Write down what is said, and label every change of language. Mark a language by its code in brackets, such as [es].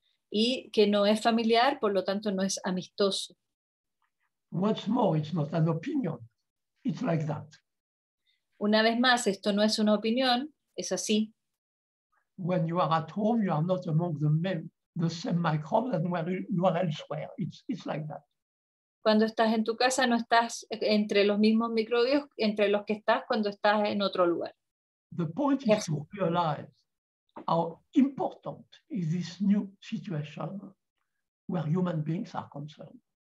[es] Y que no es familiar, por lo tanto no es amistoso. [en] What's more, it's not an opinion. It's like that. [es] Una vez más, esto no es una opinión, es así. [en] When you are at home, you are not among the same microbes than where you are elsewhere. It's like that. [es] Cuando estás en tu casa, no estás entre los mismos microbios entre los que estás cuando estás en otro lugar. [en] The point is to realize how important is this new situation where human beings are concerned.